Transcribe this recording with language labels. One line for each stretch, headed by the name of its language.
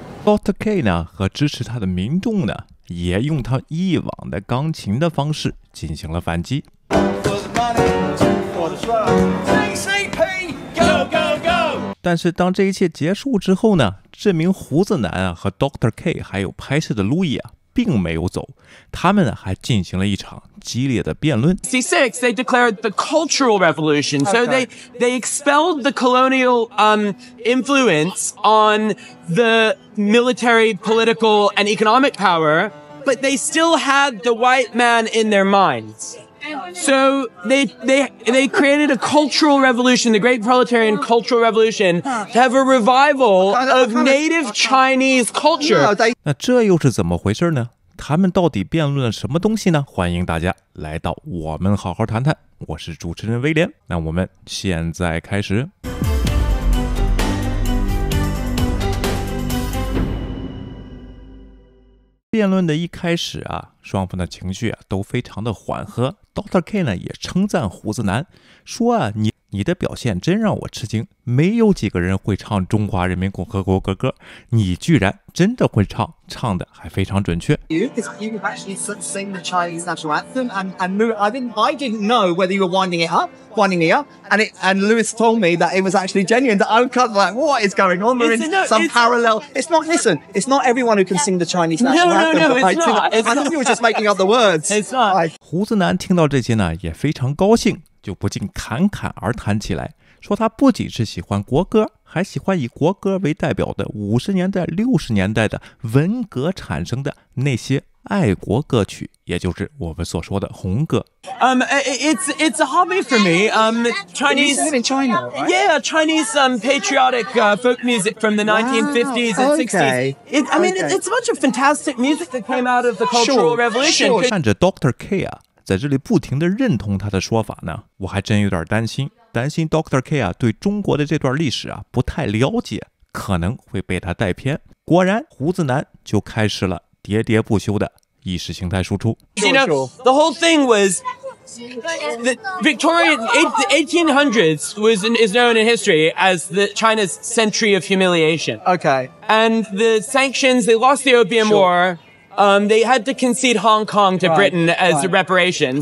Chinese: Dr.K 呢和支持他的民众呢，也用他以往的钢琴的方式进行了反击。但是当这一切结束之后呢，这名胡子男啊和 Dr.K 还有拍摄的 Louis 啊并没有走，他们呢还进行了一场激烈的辩论。
English: C6, they declared the Cultural Revolution, so they expelled the colonial influence on the military, political, and economic power, but they still had the white man in their minds. So they created a cultural revolution, the Great Proletarian Cultural Revolution, to have a revival of native Chinese culture.
Chinese: 那这又是怎么回事呢？他们到底辩论了什么东西呢？欢迎大家来到我们好好谈谈，我是主持人威廉。那我们现在开始。辩论的一开始啊，双方的情绪啊都非常的缓和。 Dr.K 呢也称赞胡子男，说啊你的表现真让我吃惊，没有几个人会唱中华人民共和国国歌，你居然真的会唱，唱的还非常准确。
English: You have actually sing the Chinese national anthem and I didn't know whether you were winding me up and Louis told me that it was actually genuine. That I'm kind of like, what is going on? We're in some parallel. It's not. Listen, it's not everyone who can sing the Chinese national anthem. No, it's not. I thought you were just making up the words. It's not.
Chinese: 胡子男听到这些呢，也非常高兴。就不禁侃侃而谈起来，说他不仅是喜欢国歌，还喜欢以国歌为代表的50年代、60年代的文革产生的那些爱国歌曲，也就是我们所说的红歌。
English: It's a hobby for me. Chinese in China, right? Yeah, Chinese patriotic folk music from the 1950s and 60s. Okay. It's a bunch of fantastic music that came out of the Cultural Revolution. Sure.
Chinese: 看着 Dr.K 啊。在这里不停地认同他的说法呢，我还真有点担心 Dr.K 啊对中国的这段历史啊不太了解，可能会被他带偏。果然胡子男就开始了喋喋不休的意识形态输出。
English: You know, the whole thing was the Victorian 1800s is known in history as the China's century of humiliation. Okay. And the sanctions, they lost the Opium War. They had to concede Hong Kong to Britain as a reparation.